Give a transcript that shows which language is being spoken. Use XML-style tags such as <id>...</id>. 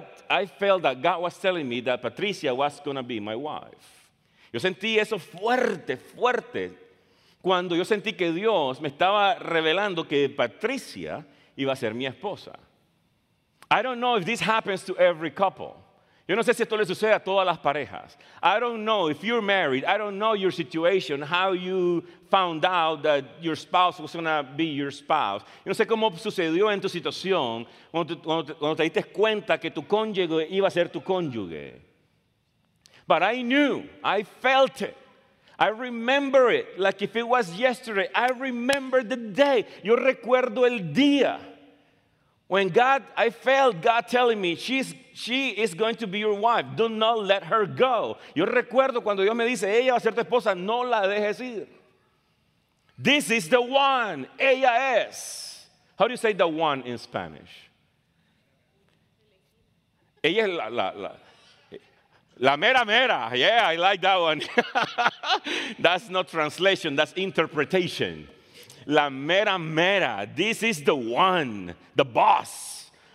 <en>I felt that God was telling me that Patricia was gonna be my wife.</en> <es>Yo sentí eso fuerte, fuerte. Cuando yo sentí que Dios me estaba revelando que Patricia iba a ser mi esposa.</es> <en>I don't know if this happens to every couple.</en> <es>Yo no sé si esto le sucede a todas las parejas.</es> <en>I don't know if you're married. I don't know your situation, how you found out that your spouse was going to be your spouse.</en> <es>Yo no sé cómo sucedió en tu situación cuando te diste cuenta que tu cónyuge iba a ser tu cónyuge.</es> <en>But I knew, I felt it. I remember it like if it was yesterday. I remember the day.</en> <es>Yo recuerdo el día.</es> <en>When God, I felt God telling me, she is going to be your wife. Do not let her go.</en> <es>Yo recuerdo cuando Dios me dice, ella va a ser tu esposa, no la dejes ir.</es> <en>This is the one.</en> <es>Ella es.</es> <en>How do you say the one in Spanish?</en> <es>Ella es la. La mera mera,</es> <en>yeah, I like that one. That's not translation, that's interpretation.</en> <es>La mera mera,</es> <en>this is the one, the boss.</en>